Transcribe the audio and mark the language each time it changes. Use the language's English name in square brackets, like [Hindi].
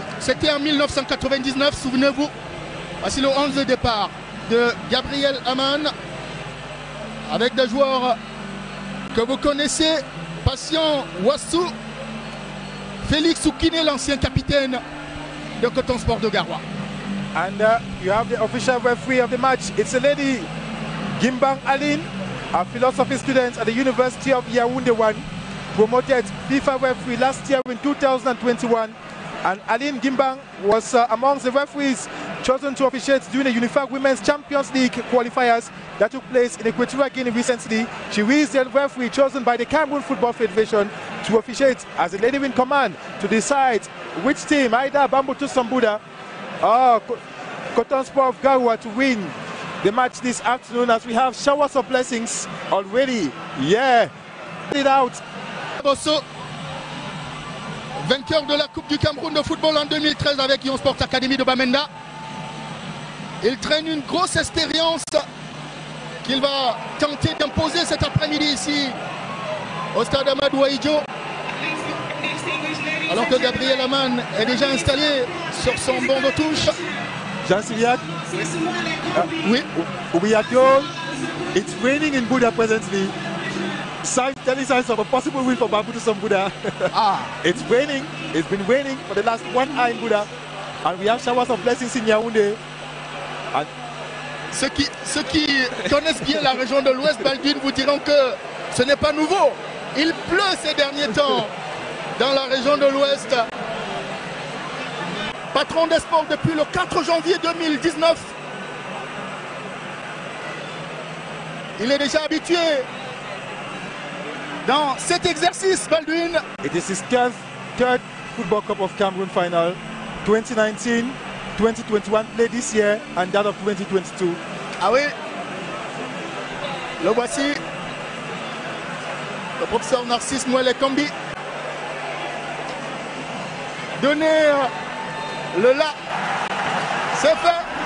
[French] C'était en 1999, souvenez-vous. Voici le 11 de départ de Gabriel Aman avec des joueurs que vous connaissez, Patient Wassou, Félix Soukiné, l'ancien capitaine de Coton Sport de Garoua. [English] And you have the official referee of the match. It's a lady, Gimbang Aline, a philosophy student at the University of Yaoundé 1, promoted FIFA referee last year in 2021. And Aline Gimbang was among the referees chosen to officiate during the UNIFAC Women's Champions League qualifiers that took place in Equatorial Guinea recently. She is the referee chosen by the Cameroon Football Federation to officiate as the lady in command to decide which team, either Bambutus Sambuda or Coton Sport of Garoua, to win the match this afternoon, as we have showers of blessings already. Yeah. It out. [French] Also, vainqueur de la Coupe du Cameroun de football en 2013 avec Yon Sports Academy de Bamenda. Il traîne une grosse expérience qu'il va tenter d'imposer cet après-midi ici au stade Amadou Ahidjo. Alors que Gabriel Aman est déjà installé sur son banc de touche. Jean-Syriac, oui, [English] we are told it's raining in Buddha presently. Signs, telling signs of a possible win for Bambutu Sambuda. Ah. It's raining, it's been raining for the last 1 hour in Buddha, and we have showers of blessings in Yaoundé. [French] And ceux qui connaissent bien la région de l'Ouest Baldwin vous diront que ce n'est pas nouveau. Il pleut ces derniers temps dans la région de l'Ouest. Patron des sports depuis le 4 janvier 2019. Il est déjà habitué dans cet exercice, Baldwin. [English] It is his third Football Cup of Cameroon final, 2019, 2021, played this year, and that of 2022. [French] Ah oui, le voici, le professeur Narcisse Mouelle Kambi. Donner le là, c'est fait.